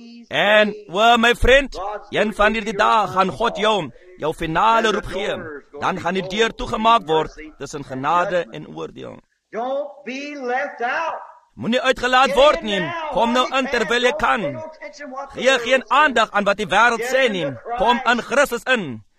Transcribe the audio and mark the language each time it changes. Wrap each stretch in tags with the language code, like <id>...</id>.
<af>En, my vriend, een van die dag gaan God jou finale roep gee, dan gaan die deur toegemaak word tussen genade en oordeel.</af> <en>Don't be left out.</en> <af>Moet nie uitgelaat word nie, kom nou in terwyl jy kan. Gee geen aandag aan wat die wereld sê nie, kom in Christus in.</af>